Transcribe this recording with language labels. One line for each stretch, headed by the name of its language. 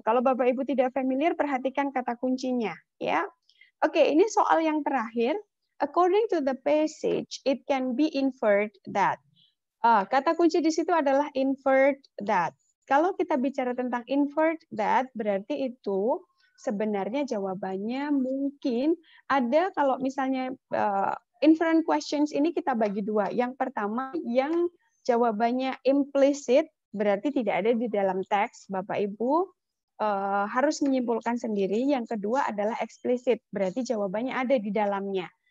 Indonesian: Kalau Bapak Ibu tidak familiar, perhatikan kata kuncinya, ya. Okay, ini soal yang terakhir.
English: According to the passage, it can be inferred that.
Indonesian: Kata kunci di situ adalah
English: inferred that.
Indonesian: Kalau kita bicara tentang
English: inferred that,
Indonesian: berarti itu sebenarnya jawabannya mungkin ada kalau misalnya
English: inference questions
Indonesian: ini kita bagi dua. Yang pertama, yang jawabannya implicit, berarti tidak ada di dalam teks, Bapak-Ibu harus menyimpulkan sendiri. Yang kedua adalah explicit, berarti jawabannya ada di dalamnya.